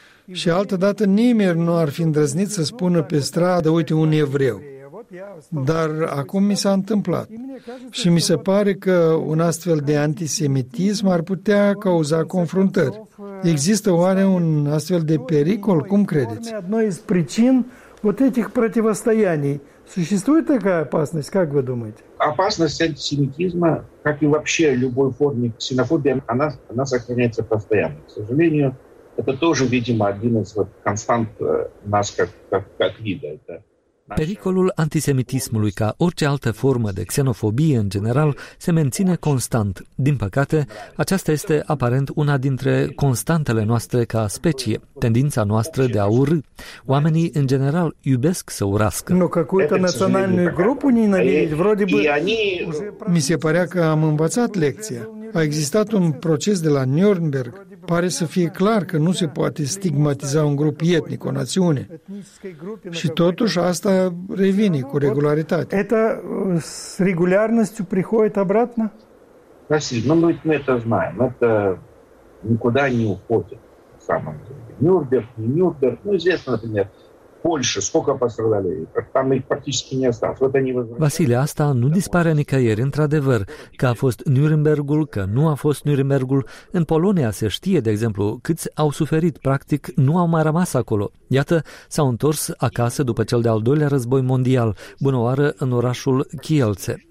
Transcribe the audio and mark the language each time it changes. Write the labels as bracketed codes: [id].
[ro] Și altădată nimeni nu ar fi îndrăznit să spună pe stradă, uite, un evreu. Dar acum mi s-a întâmplat și mi se pare că un astfel de antisemitism ar putea cauza confruntări. Există oare un astfel de pericol? Cum credeți? Una din [ru] причин вот этих противостояний существует такая опасность, как вы думаете? Опасность антисемитизма, как и вообще любой формы ксенофобии, она сохраняется постоянно. К сожалению, это тоже, видимо, один из констант нас как вида. [ro] Pericolul antisemitismului, ca orice altă formă de xenofobie în general, se menține constant. Din păcate, aceasta este aparent una dintre constantele noastre ca specie, tendința noastră de a urî. Oamenii, în general, iubesc să urască. [ru] Nu, какую-то национальную группу ненавидеть, вроде бы... [ro] Mi se părea că am învățat lecția. A existat un proces de la Nürnberg. Pare să fie clar că nu se poate stigmatiza un grup etnic, o națiune. Și totuși asta revine cu regularitate. [ru] Это с регулярностью приходит обратно? Василий, ну мы это знаем. Это никуда не уходит. На самом деле. Нюрнберг, не Нюрнберг. Ну, известно, например, Польша. Сколько пострадали? Там их практически не осталось. Вот они возвращаются. [ro] Василий, asta nu dispare nicăieri, într-adevăr. Că a fost Nürnbergul, că nu a fost Nürnbergul. În Polonia se știe, de exemplu, câți au suferit. Practic, nu au mai rămas acolo. Iată, s-au întors acasă după cel de-al doilea război mondial, bunăoară în orașul Kielce.